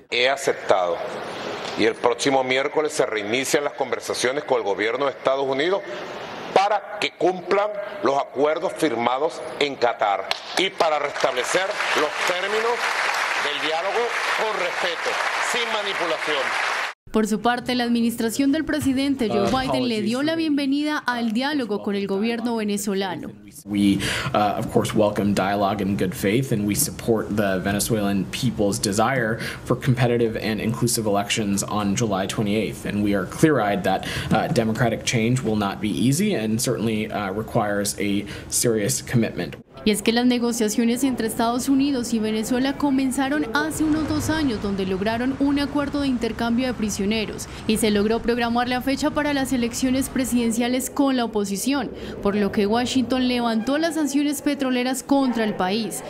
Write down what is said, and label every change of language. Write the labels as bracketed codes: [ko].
[es] He aceptado y el próximo miércoles se reinician las conversaciones con el gobierno de Estados Unidos para que cumplan los acuerdos firmados en Qatar y para restablecer los términos del diálogo con respeto, sin manipulación. Por su parte, la administración del presidente Joe Biden le dio la bienvenida al diálogo con el gobierno venezolano. [en] We of course welcome dialogue in good faith and we support the Venezuelan people's desire for competitive and inclusive elections on July 28th and we are clear-eyed that democratic change will not be easy and certainly requires a serious commitment. [es] Y es que las negociaciones entre Estados Unidos y Venezuela comenzaron hace unos dos años, donde lograron un acuerdo de intercambio de prisioneros y se logró programar la fecha para las elecciones presidenciales con la oposición, por lo que Washington levantó las sanciones petroleras contra el país.